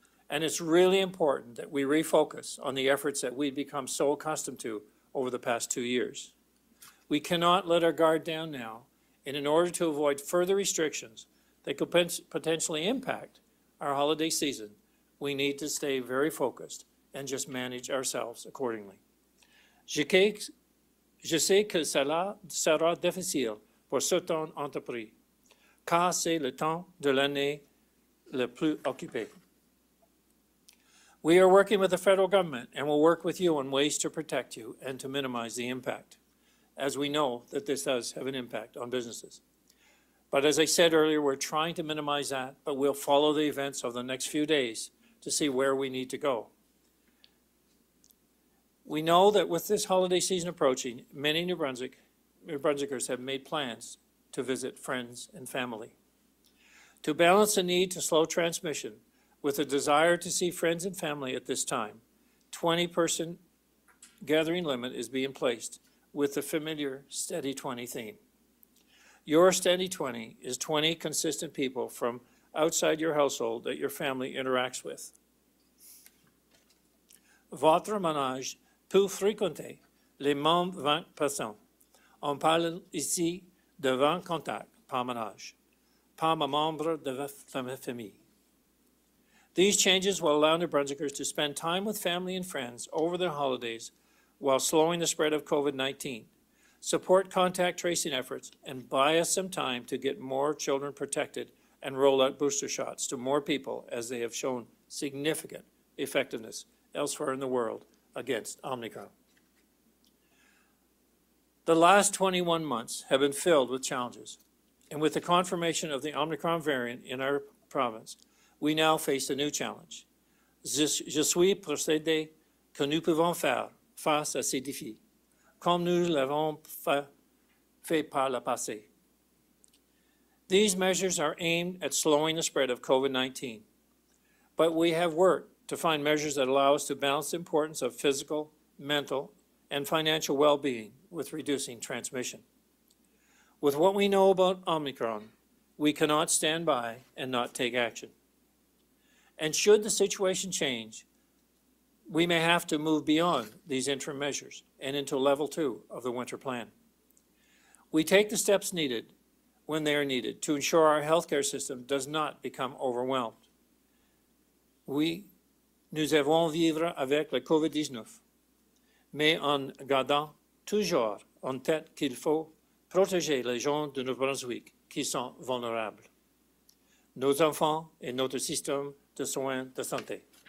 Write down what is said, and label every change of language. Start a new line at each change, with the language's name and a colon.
English: And it's really important that we refocus on the efforts that we've become so accustomed to over the past 2 years. We cannot let our guard down now, and in order to avoid further restrictions that could potentially impact our holiday season, we need to stay very focused and just manage ourselves accordingly.
French: Je sais que cela sera difficile pour certaines entreprises, car c'est le temps de l'année le plus occupé.
English: We are working with the federal government and will work with you on ways to protect you and to minimize the impact, as we know that this does have an impact on businesses. But as I said earlier, we're trying to minimize that, but we'll follow the events of the next few days to see where we need to go. We know that with this holiday season approaching, many New Brunswickers have made plans to visit friends and family. To balance the need to slow transmission with a desire to see friends and family at this time, 20-person gathering limit is being placed with the familiar Steady 20 theme. Your Steady 20 is 20 consistent people from outside your household that your family interacts with.
French: Votre ménage peut fréquenter les mêmes 20 personnes. On parle ici de 20 contacts par ménage, par membre de la famille.
English: These changes will allow New Brunswickers to spend time with family and friends over their holidays while slowing the spread of COVID-19, support contact tracing efforts, and buy us some time to get more children protected and roll out booster shots to more people as they have shown significant effectiveness elsewhere in the world against Omicron. The last 21 months have been filled with challenges, and with the confirmation of the Omicron variant in our province, we now face a new challenge.
French: Je suis persuadé que nous pouvons faire face à ces défis, comme nous l'avons fait par le passé.
English: These measures are aimed at slowing the spread of COVID-19, but we have worked to find measures that allow us to balance the importance of physical, mental, and financial well-being with reducing transmission. With what we know about Omicron, we cannot stand by and not take action. And should the situation change, we may have to move beyond these interim measures and into level two of the winter plan. We take the steps needed when they are needed to ensure our healthcare system does not become overwhelmed.
French: Nous devons vivre avec le COVID-19, mais en gardant toujours en tête qu'il faut protéger les gens de New Brunswick qui sont vulnérables, nos enfants et notre système de soins de santé.